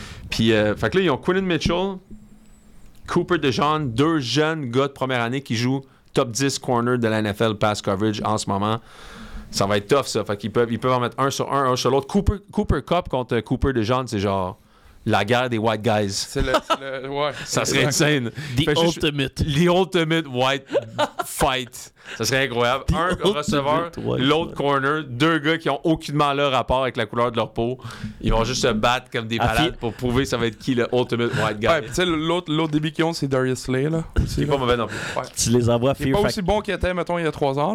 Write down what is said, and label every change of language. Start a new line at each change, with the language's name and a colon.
French: Puis, fait que là, ils ont Quinlan Mitchell, Cooper DeJean, deux jeunes gars de première année qui jouent top 10 corner de la NFL pass coverage en ce moment. Ça va être tough, ça. Fait qu'ils peuvent en mettre un sur l'autre. Cooper Kupp contre Cooper DeJean, c'est genre la guerre des
English: white guys.
French: C'est le ça serait insane.
English: The ultimate white fight.
French: Ça serait incroyable. Un receveur, l'autre corner, deux gars qui n'ont aucunement leur rapport avec la couleur de leur peau. Ils vont juste se battre comme des balades pour prouver ça va être qui le
English: ultimate white guy.
French: Ouais, tu sais, l'autre débit qu'ils ont, c'est Darius Slay. Il n'est pas mauvais non plus. Ouais. Tu les envoies à Fear. Il n'est pas aussi bon qu'il était, mettons, il y a 3 ans.